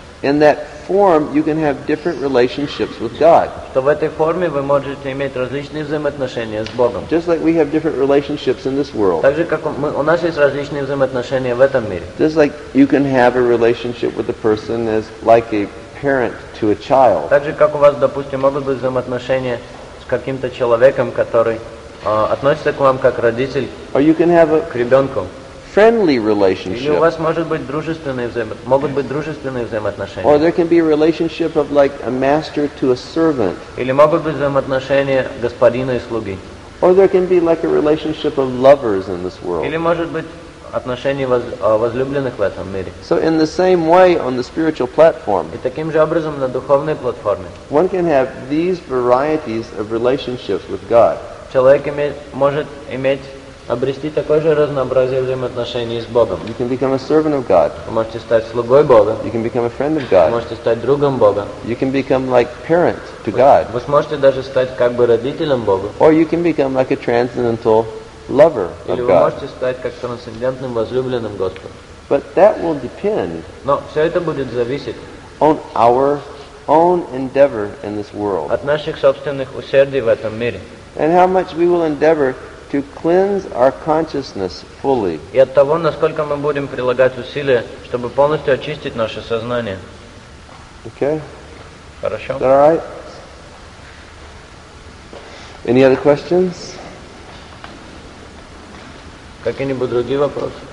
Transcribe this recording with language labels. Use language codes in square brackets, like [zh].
[en] In that form, you can have different relationships with God. [ru] Что в этой форме вы можете иметь различные взаимоотношения с Богом. [en] Just like we have different relationships in this world. [ru] Так же, как у нас есть различные взаимоотношения в этом мире. [en] Just like you can have a relationship with a person as like a parent to a child. [ru] Так же, как у вас, допустим, могут быть взаимоотношения с каким-то человеком, который относится к вам как родитель к ребенку. [en] Friendly relationship. [ru] Или у вас может быть дружественные могут быть дружественные взаимоотношения. [en] Or there can be a relationship of like a master to a servant. [ru] Или могут быть взаимоотношения господина и слуги. [en] Or there can be like a relationship of lovers in this world. [ru] Или может быть отношений возлюбленных в этом мире. [en] So in the same way on the spiritual platform. [ru] И таким же образом на духовной платформе. [en] One can have these varieties of relationships with God. [ru] Человек может иметь, обрести такое же разнообразие взаимоотношений с Богом. [en] You can become a servant of God. [ru] Вы можете стать слугой Бога. [en] You can become a friend of God. [ru] Вы можете стать другом Бога. [en] You can become like parent to God. [ru] Вы сможете даже стать как бы родителем Бога. [en] Or you can become like a transcendental lover of God. [ru] Или вы можете стать как трансцендентным возлюбленным Господа. [en] But that will depend. [ru] Но все это будет зависеть [en] on our own endeavor in this world. [ru] От наших собственных усердий в этом мире. [en] And how much we will endeavor to cleanse our consciousness fully. [ru] И от того, насколько мы будем прилагать усилия, чтобы полностью очистить наше сознание. [en] Okay. [ru] Хорошо. [en] Is that all right? Any other questions? [ru] Какие-нибудь другие вопросы?